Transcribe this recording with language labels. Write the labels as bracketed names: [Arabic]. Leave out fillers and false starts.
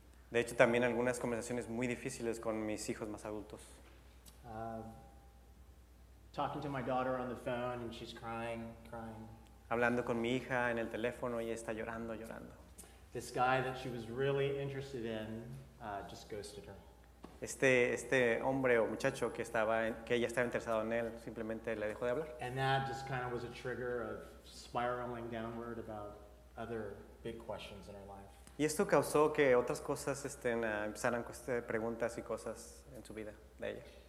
[Spanish] De hecho, también algunas conversaciones muy difíciles con mis hijos más adultos. [English] Talking to my daughter on the phone and she's crying. [Spanish] Hablando con mi hija en el teléfono y está llorando. [English] This guy that she was really interested in just ghosted her. [Spanish] Este hombre o muchacho que ella estaba interesado en él simplemente le dejó de hablar. [English] And that just kind of was a trigger of spiraling downward about other big questions in our life. [Spanish] Y esto causó que otras cosas empezaran con preguntas y cosas en su vida de ella.